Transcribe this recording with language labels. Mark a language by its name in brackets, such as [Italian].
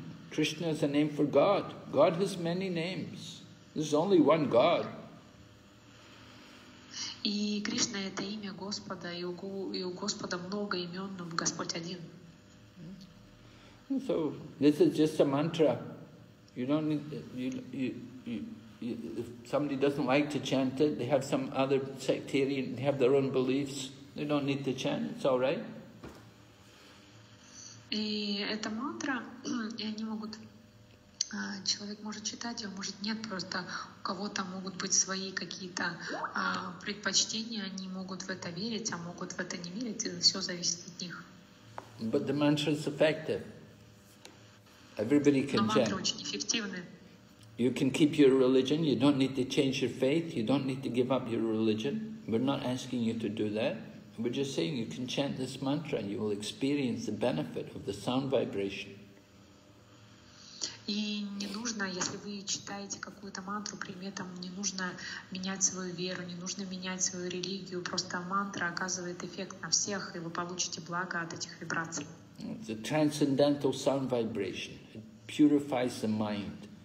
[English] Krishna is a name for God. God has many names. There's only one God. [Russian] И Кришна — это имя Господа, и у Господа много имен, но Господь один. [English] So this is just a mantra. You don't need, you, if somebody doesn't like to chant it, they have some other sectarian, they have their own beliefs, they don't need to chant, it's all right. [Russian] И эта мантра, и они могут, человек может читать ее, может нет, просто у кого-то могут быть свои какие-то предпочтения, они могут в это верить, а могут в это не верить, и все зависит от них. [English] But the mantra is effective. Everybody can chant. [Russian] Но мантра очень эффективна. [English] You can keep your religion, you don't need to change your faith, you don't need to give up your religion. We're not asking you to do that. We're just saying you can chant this mantra and you will experience the benefit of the sound vibration. [Russian] И не нужно, если вы читаете какую-то мантру, при этом не нужно менять свою веру, не нужно менять свою религию, просто мантра оказывает эффект на всех, и вы получите благо от этих вибраций. [English] It's a transcendental sound vibration. It purifies the mind.